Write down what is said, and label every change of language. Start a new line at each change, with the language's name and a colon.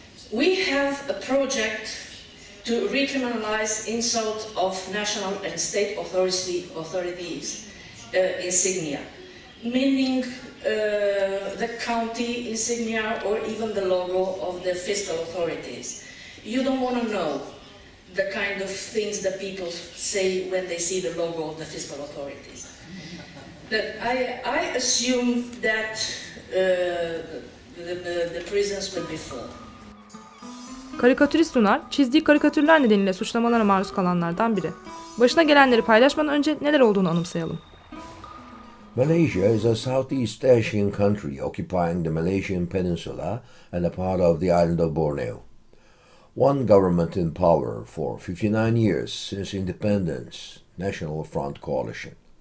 English: We have a project to recriminalize insult of national and state authorities insignia, meaning the county insignia or even the logo of the fiscal authorities. You don't want to know the kind of things that people say when they see the logo of the fiscal authorities. But I assume that the prisons will be full.
Turkish: Karikatürist Runar, çizdiği karikatürler nedeniyle suçlamalara maruz kalanlardan biri. Başına gelenleri paylaşmadan önce neler olduğunu anımsayalım.
English: Malaysia is a Southeast Asian country occupying the Malaysian Peninsula and a part of the island of Borneo. One government in power for 59 years since independence, National Front Coalition.